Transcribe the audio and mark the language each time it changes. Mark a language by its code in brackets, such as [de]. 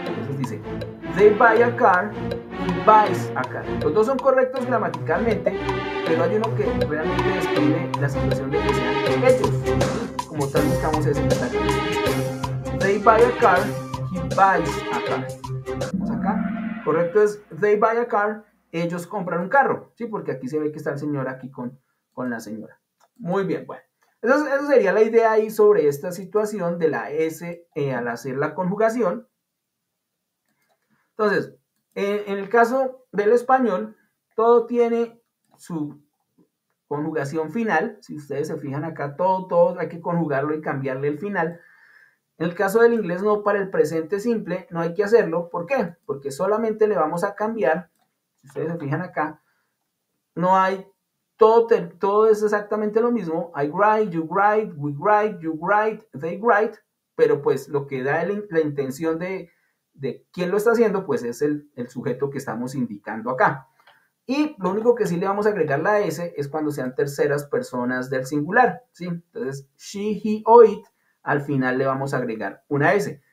[es] Entonces dice, [en] they buy a car, he buys a car. [es] Los dos son correctos gramaticalmente, pero hay uno que realmente describe la situación de que sean ellos. Como tal, buscamos ese. [en] They buy a car, he buys a car. [es] Vamos acá. Correcto es, [en] they buy a car, [es] ellos compran un carro. Sí, porque aquí se ve que está el señor aquí con la señora. Muy bien, bueno. Entonces, esa sería la idea ahí sobre esta situación de la S al hacer la conjugación. Entonces, en el caso del español, todo tiene su conjugación final. Si ustedes se fijan acá, todo hay que conjugarlo y cambiarle el final. En el caso del inglés no, para el presente simple no hay que hacerlo. ¿Por qué? Porque solamente le vamos a cambiar, si ustedes se fijan acá, no hay, todo es exactamente lo mismo. [en] I write, you write, we write, you write, they write. [es] Pero pues lo que da la intención de quién lo está haciendo, pues es el sujeto que estamos indicando acá. Y lo único que sí le vamos a agregar la S es cuando sean terceras personas del singular, ¿sí? Entonces, she, he o it. Al final le vamos a agregar una S.